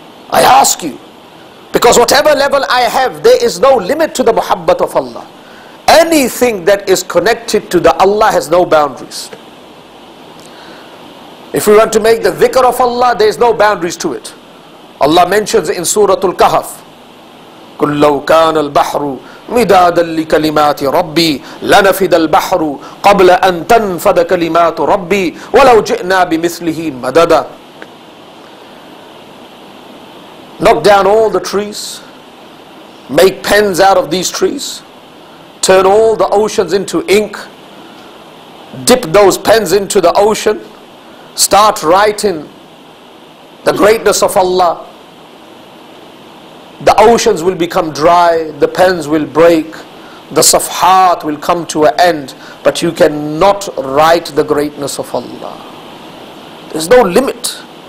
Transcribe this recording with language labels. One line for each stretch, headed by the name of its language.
English: I ask you, because whatever level I have, there is no limit to the muhabbat of Allah. Anything that is connected to the Allah has no boundaries. If we want to make the dhikr of Allah, there is no boundaries to it.
Arabic: Allah mentions in Surah Al-Kahf, كُلَّوْ كَانَ الْبَحْرُ مِدَادًا لِكَلِمَاتِ رَبِّي لَنَفِدَ الْبَحْرُ قَبْلَ أَن تَنْفَدَ كَلِمَاتُ رَبِّي وَلَوْ جِئْنَا بِمِثْلِهِ مَدَدًا.
English: Knock down all the trees, make pens out of these trees, turn all the oceans into ink, dip those pens into the ocean, start writing the greatness of Allah, the oceans will become dry, the pens will break, the safhat will come to an end, but you cannot write the greatness of Allah. There's no limit.